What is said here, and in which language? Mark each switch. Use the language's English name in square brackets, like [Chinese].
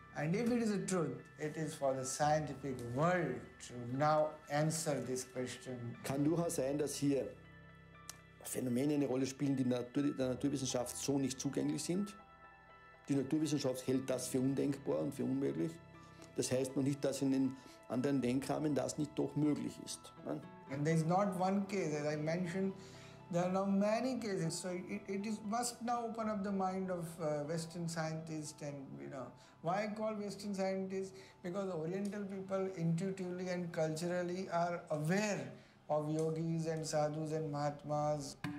[English] And if it is a truth, it is for the scientific world to now answer this question. [German] Kann durchaus sein, dass hier Phänomene eine Rolle spielen, die der Naturwissenschaft so nicht zugänglich sind. Die Naturwissenschaft hält das für undenkbar und für unmöglich. Das heißt noch nicht, dass in den anderen Denkrahmen das nicht doch möglich ist. [English] And there is not one case, as I mentioned, there are now many cases. So it is must now open up the mind of Western scientists and, you know, why I call Western scientists? Because Oriental people intuitively and culturally are aware of yogis and sadhus and mahatmas.